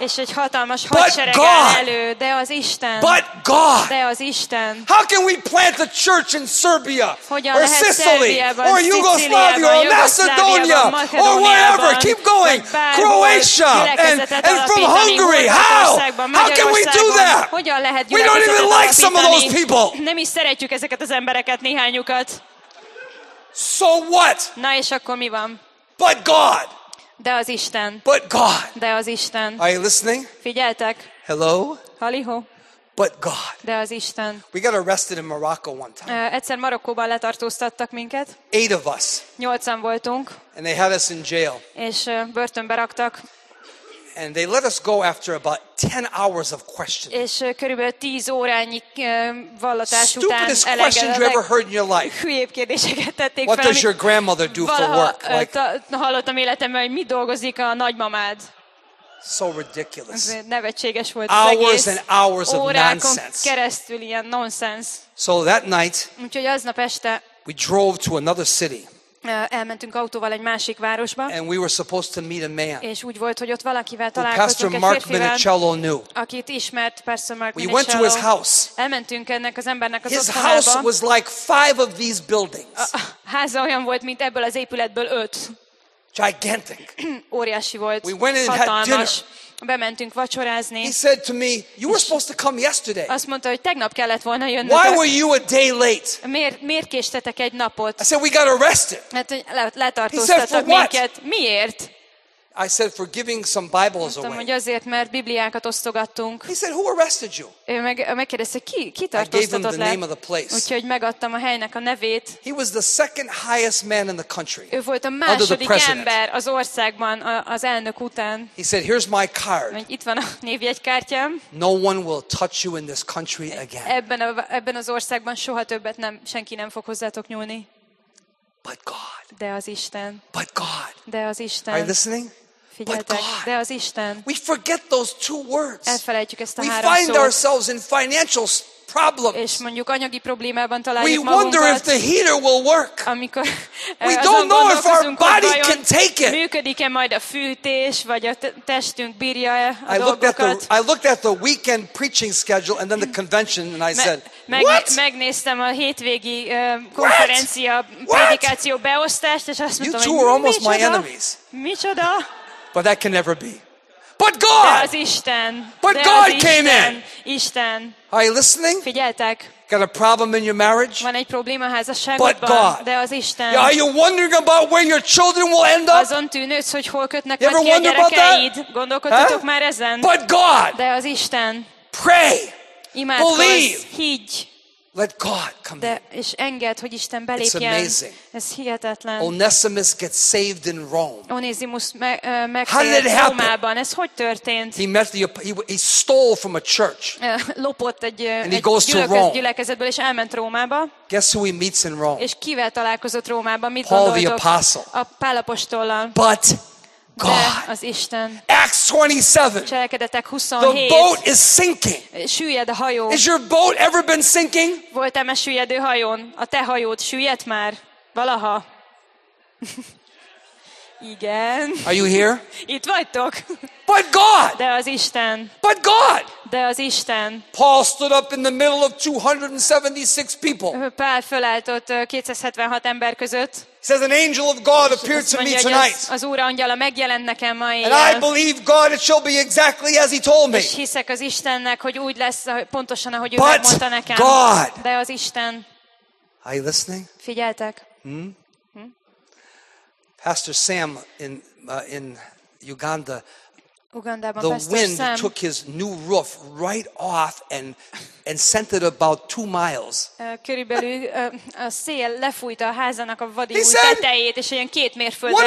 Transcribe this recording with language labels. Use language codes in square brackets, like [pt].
[hu] És egy hatalmas hadsereg áll elő. De az Isten. [en] But God. [hu] De az Isten. [en] How can we plant a church in Serbia? [hu] Hogyan [en] or Sicily? Or Yugoslavia? Or Macedonia? Or what? Ever. Keep going. Croatia and from Hungary. How? How can we do that? We don't even like some of those people. [hu] Nem is szeretjük ezeket az embereket, néhányukat. [en] So what? [hu] Na és akkor mi van? [en] But God. [hu] De az Isten. [en] But God. [hu] De az Isten. [en] Are you listening? [hu] Figyeltek. [en] Hello. [hu] Halihó. [en] But God. [hu] De az Isten. [en] We got arrested in Morocco one time. [hu] Egyszer Marokkóban letartóztattak minket. [en] 8 of us. [hu] 8-an voltunk. [en] And they had us in jail. [hu] És börtönbe raktak. [en] And they let us go after about 10 hours of questioning. [hu] És körülbelül 10 órányi vallatás után elengedtek. [en] Stupidest questions you ever heard in your life. [hu] Hülyébb kérdéseket tették fel. [en] What does your grandmother do for work? [hu] Hallottam életemben, hogy mit dolgozik a nagymamád. [en] So ridiculous. [hu] Nevetséges volt [en] az hours and hours of nonsense. [hu] Keresztül ilyen nonsense. [en] So that night, [hu] úgyhogy aznap este, [en] we drove to another city. [hu] Elmentünk autóval egy másik városba. [en] And we were supposed to meet a man. [hu] És úgy volt, hogy ott valakivel találkoztunk egy férfival, akit ismert Pastor Mark [en] Minicello. We went to his house. [hu] Elmentünk ennek az embernek az [en] his [hu] otthonába. [en] House was like five of these buildings. [hu] Háza olyan volt, mint ebből az épületből öt. [en] Gigantic. [hu] Óriási volt. [en] We went and had dinner. [hu] Bementünk vacsorázni. [en] He said to me, "You were supposed to come yesterday." [hu] Azt mondta, hogy tegnap kellett volna jönnötök. [en] Why were you a day late? [hu] Miért késtetek egy napot? [en] I said, "We got arrested." [hu] Hát letartóztattak minket. Miért? [en] I said, "For giving some Bibles away." [hu] Azt mondta, azért, mert Bibliákat osztogattunk. [en] He said, "Who arrested you?" [hu] Ő megkérdezte, ki tartóztatott [en] le. I gave him the name of the place. [hu] Úgyhogy megadtam a helynek a nevét. [en] He was the second highest man in the country. [hu] Ő volt a második ember az országban az elnök után. [en] He said, "Here's my card." [hu] Itt van a névjegykártyám. [en] No one will touch you in this country again. [hu] Ebben az országban soha többet senki nem fog hozzátok nyúlni. [en] But God. [hu] De az Isten. [en] But God. [hu] De az Isten. [en] Are you listening? [hu] Figyeltek. [en] But God. [hu] De az Isten. [en] We forget those two words. [hu] Elfelejtjük ezt a [en] we [hu] három szót. [en] We find ourselves in financial problems. [hu] És mondjuk anyagi problémában találjuk [en] we [hu] magunkat. [en] We wonder if the heater will work. [hu] Amikor [en] we don't know if our body can take it. [hu] Működik-e majd a fűtés, vagy a testünk bírja a dolgokat. [en] I looked at the weekend preaching schedule and then the convention and I said, what? [hu] Megnéztem a hétvégi konferencia prédikáció beosztást, és azt mondtam, [en] you two are almost my enemies. [hu] Micsoda? [en] But that can never be. But God. [hu] De az Isten. [en] But [hu] de [en] God [hu] az Isten. [en] Came in. [hu] Isten. [en] Are you listening? [hu] Figyeltek. [en] Got a problem in your marriage? [hu] Van egy probléma a házasságodban. [en] But God. [hu] De az Isten. [en] Yeah, are you wondering about where your children will end up? [hu] Azon tűnődsz, hogy hol kötnek majd ki a gyerekeid? [en] You ever wonder about that? [hu] Gondolkodtatok már ezen? [en] But God. [hu] De az Isten. [en] Pray. [hu] Imádkozz. [en] Believe. [hu] Higgy. [en] Let God come [hu] de, és enged, hogy Isten belépjen. [en] It's amazing. [hu] Ez hihetetlen. [en] Onesimus gets saved in Rome. [hu] Onesimus megtért Rómában. Ez hogy történt? [en] He stole from a church. [hu] Lopott egy gyülekezetből, és elment Rómába. [en] Guess who he meets in Rome? [hu] És kivel találkozott Rómában? Mit [en] Paul the Apostle. [hu] A Pál apostollal. [en] But God. [hu] De az Isten. [en] Acts 27. [hu] Cselekedetek 27. [en] The boat is sinking. [hu] Süllyed a hajó. [en] Is your boat ever been sinking? [hu] Volt-e már süllyedő hajón? A te hajód süllyedt már? Valaha? Igen. [en] Are you here? [hu] Itt vagytok. [en] But God. [hu] De az Isten. [en] But God. [hu] De az Isten. [en] Paul stood up in the middle of 276 people. [hu] Pál fölállt 276 ember között. [en] He says an angel of God appeared to me tonight. [hu] Az Úr angyala megjelent nekem ma éjjel. [en] And I believe God it shall be exactly as he told me. [hu] És hiszek az Istennek, hogy úgy lesz pontosan, ahogy ő megmondta nekem. [en] But God. [hu] De az Isten. [en] Are you listening? [hu] Figyeltek? [en] Pastor Sam in Uganda, [hu] Ugandában [en] the Pastor wind Sam took his new roof right off and sent it about 2 miles. [hu] Körülbelül a szél lefújta a házának a vadi új tetejét, és ilyen 2 mérföldre